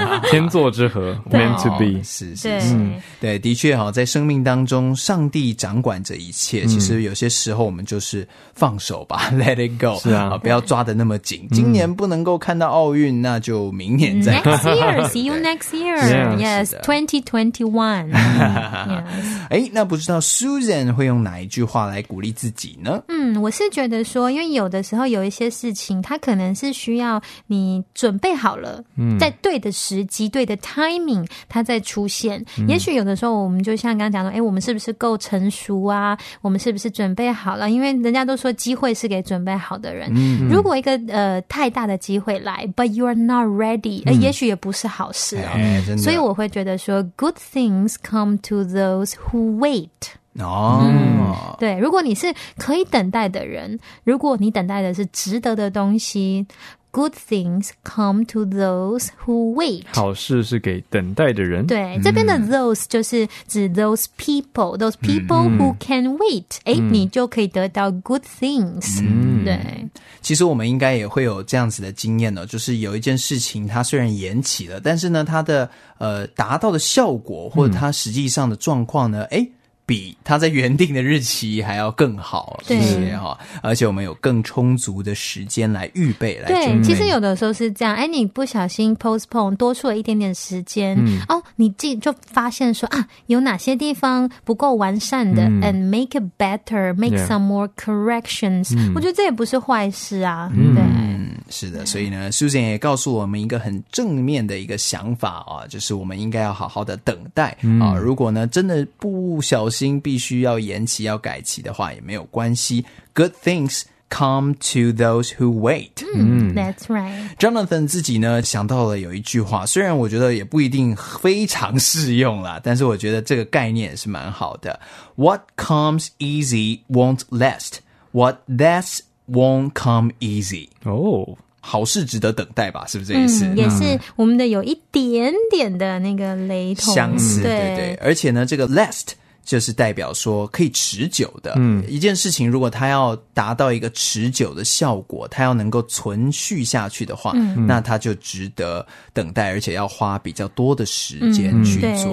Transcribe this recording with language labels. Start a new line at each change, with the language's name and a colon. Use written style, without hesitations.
Chinese: 天作之合 ，
English: meant to be，
Chinese: 是，对，的确哈，在生命当中，上帝掌管着一切。其实有些时候我们就是放手吧 ，
English: let it go，
Chinese: 是啊，不要。要抓得那么紧。今年不能够看到奥运，那就明年再看。
English: Next year, see you next year. Yes, 2021.
Chinese: 哎，那不知道 Susan 会用哪一句话来鼓励自己呢？嗯，我是觉得说，因为有的时候有一些事情，它可能是需要你准备好了，在对的时机、对的 timing， 它再出现。也许有的时候，我们就像刚刚讲的，哎，我们是不是够成熟啊？我们是不是准备好了？因为人家都说机会是给准备好的人。如果一个太大的机会来 ，
English: but you are not ready，
Chinese: 也许也不是好事啊。所以我会觉得说 ，
English: good things come to those who wait。
Chinese: 哦，对，如果你是可以等待的人，如果你等待的是值得的东西。
English: Good things come to those who wait.
Chinese: 好事是给等待的人。对，这边的
English: those
Chinese: 就是指
English: those people, those people who can wait.
Chinese: 你就可以得到
English: good things.
Chinese: 对。其实我们应该也会有这样子的经验呢，就是有一件事情它虽然延期了，但是呢它的达到的效果或者它实际上的状况呢，比他在原定的日期还要更好一些哈，而且我们有更充足的时间来预备来准备。对，其实有的时候是这样，你不小心 postpone 多出了一点点时间，你就发现说啊，有哪些地方不够完善的，
English: and make it better, make some more corrections。
Chinese: 我觉得这也不是坏事啊，对。是的，所以呢 ，Susan 也告诉我们一个很正面的一个想法啊，就是我们应该要好好的等待啊。如果呢，真的不小心必须要延期、要改期的话，也没有关系。
English: Good things come to those who wait. That's right.
Chinese: Jonathan 自己呢想到了有一句话，虽然我觉得也不一定非常适用啦，但是我觉得这个概念也是蛮好的。
English: What comes easy won't last. What lasts. Won't come easy.
Chinese: 好事值得等待吧，是不是这意思？也是我们的有一点点的那个雷同相似，对对。而且呢，这个 last 就是代表说可以持久的。一件事情如果它要达到一个持久的效果，它要能够存续下去的话，那它就值得等待，而且要花比较多的时间去做。